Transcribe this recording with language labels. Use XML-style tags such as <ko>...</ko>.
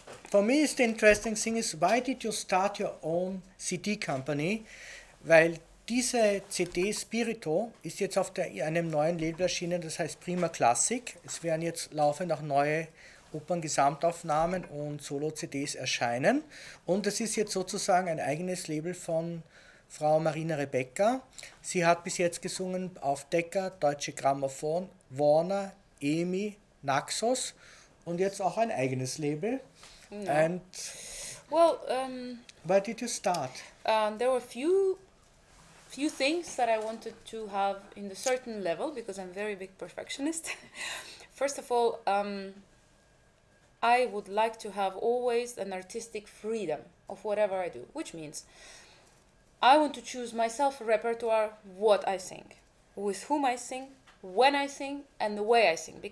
<en>For me, it's the interesting thing is, why did you start your own CD company?</en> <de>Weil diese CD Spirito ist jetzt auf der, einem neuen Label erschienen, das heißt Prima Classic. Es werden jetzt laufend auch neue Operngesamtaufnahmen und Solo-CDs erscheinen. Und es ist jetzt sozusagen ein eigenes Label von Frau Marina Rebeka. Sie hat bis jetzt gesungen auf Decker, Deutsche Grammophon, Warner, EMI, Naxos und jetzt auch ein eigenes Label.</de> <en>No. And well, where did you start? There were a few things that I wanted to have in a certain level because I'm a very big perfectionist. First of all, I would like to have always an artistic freedom of whatever I do, which means I want to choose myself a repertoire, what I sing, with whom I sing, when I sing, and the way I sing.</en>